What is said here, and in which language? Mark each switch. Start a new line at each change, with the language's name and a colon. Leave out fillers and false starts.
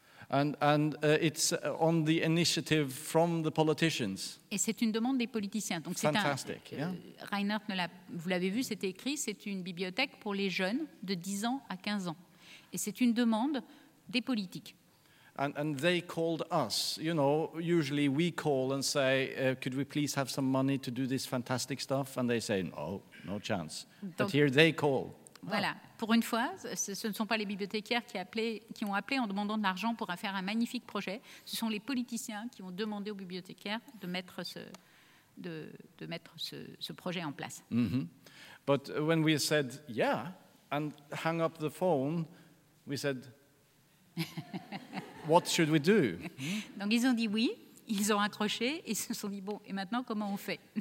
English: And it's on the initiative from the politicians.
French: Et c'est une demande des politiciens. Donc
English: fantastic,
French: c'est Reinhard, vous l'avez vu, c'était écrit, c'est une bibliothèque pour les jeunes de 10 ans à 15 ans. Et c'est une demande des politiques.
English: And they called us. You know, usually we call and say, could we please have some money to do this fantastic stuff? And they say, no. No chance.
French: Donc,
English: but here they call.
French: Voilà. Oh. Pour une fois, ce ne sont pas les bibliothécaires qui ont appelé en demandant de l'argent pour faire un magnifique projet. Ce sont les politiciens qui ont demandé aux bibliothécaires de mettre ce projet en place. Mm-hmm.
English: But when we said yeah and hung up the phone, we said, what should we do?
French: Donc ils ont dit oui, ils ont accroché et se sont dit bon, et maintenant comment on fait?